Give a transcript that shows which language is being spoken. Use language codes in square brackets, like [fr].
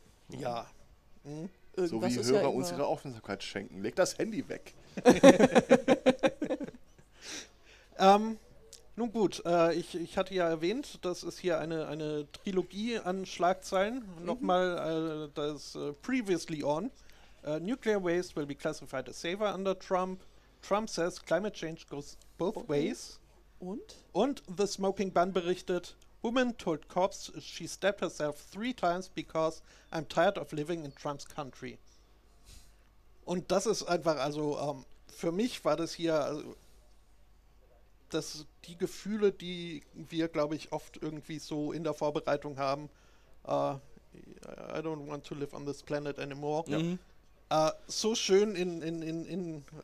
[de] Ja. So wie Hörer ja uns ihre Aufmerksamkeit schenken. Leg das Handy weg. Nun gut, ich hatte ja erwähnt, das ist hier eine Trilogie an Schlagzeilen. Nochmal das Previously On. [en] Nuclear waste will be classified as safer under Trump. Trump says climate change goes both ways. [de] Und [en] The Smoking Bun berichtet, Woman told cops she stabbed herself 3 times because I'm tired of living in Trump's country. [de] Und das ist einfach, also für mich war das hier, also, dass die Gefühle, die wir, glaube ich, oft irgendwie so in der Vorbereitung haben, [en] I don't want to live on this planet anymore, [de] so schön in